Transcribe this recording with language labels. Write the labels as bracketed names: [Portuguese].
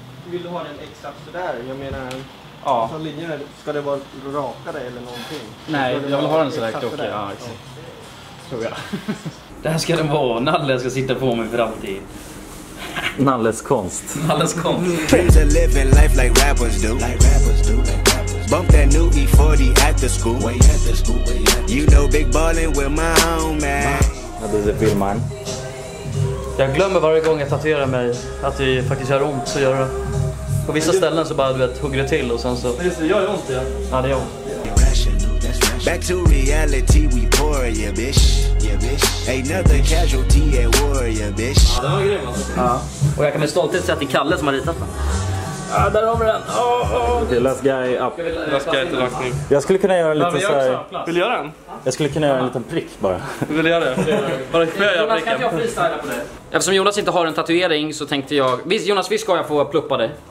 [Swedish] Vill du ha den exakt sådär? Jag menar, ja. Så linjerna, ska det vara rakare eller någonting? Nej, jag vill ha den sådär krokig. Ja, exakt. Tror jag. Det här ska den vara. Nalle ska sitta på mig för alltid. Nalles konst. Nalles konst. [English] Friends are living life like rappers do. Like rappers do. Bump that new E40 at the school. Way at the school. You know big ballin' with my home man. [Swedish] Det är fel man. Jag glömmer varje gång jag tatuerar mig att det faktiskt gör ont, så gör det. På vissa ställen så bara du vet hugger det till och sen så. Det gör ont igen. Ja, det gör ont. [English] Back to reality we pour, bitch. Another casualty at war, bitch. [Swedish] Ja. Och jag kan med stolthet säga att det är Kalle som har ritat den. Ah, där har vi den. Oh, [English] okay, last guy up. [Swedish] Jag skulle kunna göra en liten så här... Vill du göra den? Jag skulle kunna göra en liten prick bara. Vill du göra det? Bara kan jag freestyla på det? Eftersom Jonas inte har en tatuering så tänkte jag... Visst, Jonas, visst ska jag få pluppa dig?